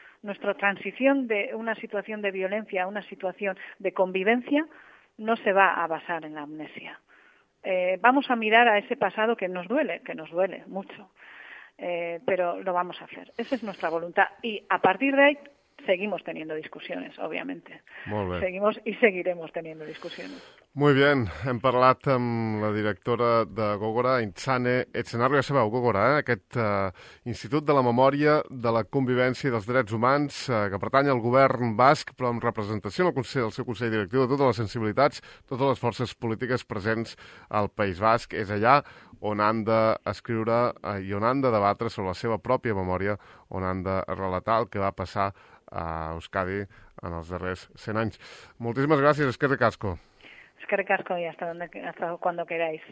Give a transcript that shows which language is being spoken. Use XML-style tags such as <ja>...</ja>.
<es>Nuestra transición de una situación de violencia a una situación de convivencia no se va a basar en la amnesia. Vamos a mirar a ese pasado que nos duele mucho, pero lo vamos a hacer. Esa es nuestra voluntad y a partir de ahí seguimos teniendo discusiones, obviamente.</es> <ca>Molt bé.</ca> <es>Seguimos y seguiremos teniendo discusiones. Muy bien,</es> <ca>hem parlat amb la directora de Gogora, Itzane Etxenarro. Ja sabeu, Gogora, aquest Institut de la Memòria, de la Convivència i dels Drets Humans, que pertany al govern basc, però amb representació del seu Consell Directiu, de totes les sensibilitats, totes les forces polítiques presents al País Basc. És allà on han d'escriure i on han de debatre sobre la seva pròpia memòria, on han de relatar el que va passar a Euskadi en els darrers 100 anys. Moltíssimes gràcies, Esquerra Casco.</ca> <eu>Eskerrik asko,</eu> <es>hasta cuando queráis.</es>